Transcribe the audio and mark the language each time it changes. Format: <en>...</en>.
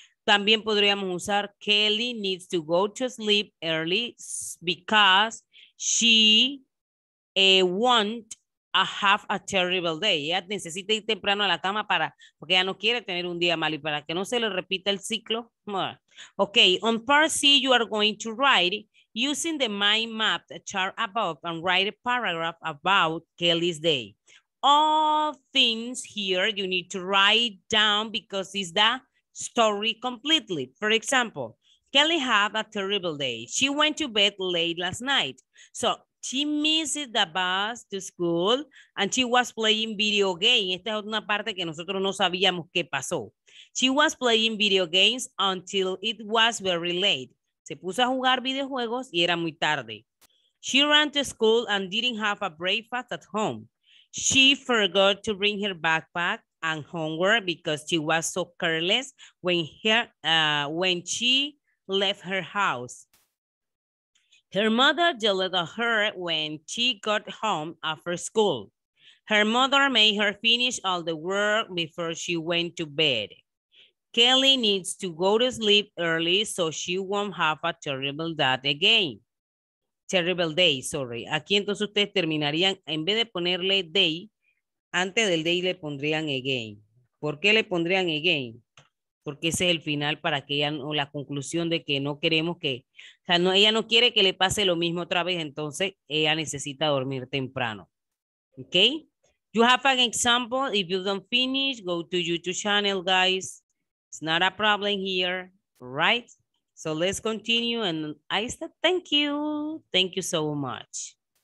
<es>También podríamos usar,</es> <en>Kelly needs to go to sleep early because she won't have a terrible day.</en> <es>Ella necesita ir temprano a la cama para, porque ella no quiere tener un día malo y para que no se le repita el ciclo.</es> <en>Okay, on part C, you are going to write using the mind map chart above and write a paragraph about Kelly's day. All things here you need to write down because it's the story completely. For example, Kelly had a terrible day. She went to bed late last night. So she missed the bus to school and she was playing video games.</en> <es>Esta es una parte que nosotros no sabíamos qué pasó.</es> <en>She was playing video games until it was very late.</en> <es>Se puso a jugar videojuegos y era muy tarde.</es> <en>She ran to school and didn't have a breakfast at home. She forgot to bring her backpack and homework because she was so careless when she left her house. Her mother yelled at her when she got home after school. Her mother made her finish all the work before she went to bed. Kelly needs to go to sleep early so she won't have a terrible day again. Terrible day, sorry.</en> <es>Aquí entonces ustedes terminarían, en vez de ponerle day, antes del day le pondrían again. ¿Por qué le pondrían again? Porque ese es el final para que ella, o la conclusión de que no queremos que, o sea, no, ella no quiere que le pase lo mismo otra vez, entonces ella necesita dormir temprano.</es> <en>¿Ok? You have an example. If you don't finish, go to YouTube channel, guys. It's not a problem here, right? So let's continue and I said thank you. Thank you so much.</en>